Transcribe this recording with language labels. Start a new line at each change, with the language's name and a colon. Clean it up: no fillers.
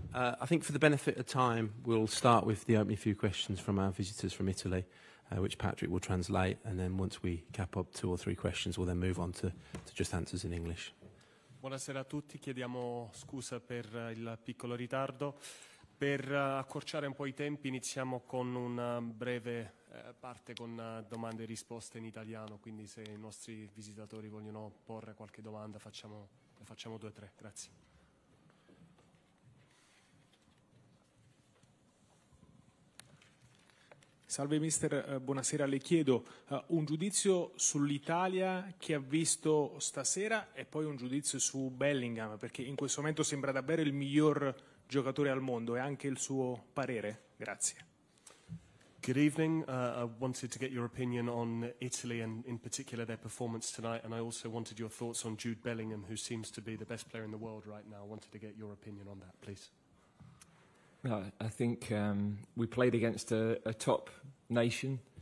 English: I think for the benefit of time, we'll start with the opening few questions from our visitors from Italy, which Patrick will translate, and then once we cap up two or three questions, we'll then move on to just answers in English.
Italian: Buonasera a tutti, chiediamo scusa per il piccolo ritardo. Per accorciare un po' i tempi, iniziamo con una breve parte con domande e risposte in italiano, quindi se i nostri visitatori vogliono porre qualche domanda, facciamo due o tre. Grazie. Salve mister, buonasera, le chiedo un giudizio sull'Italia che ha visto stasera e poi un giudizio su Bellingham, perché in questo momento sembra davvero il miglior giocatore al mondo, e anche il suo parere. Grazie.
English: Good evening. I wanted to get your opinion on Italy and in particular their performance tonight, and I also wanted your thoughts on Jude Bellingham, who seems to be the best player in the world right now. I wanted to get your opinion on that, please. I think we played against a top nation.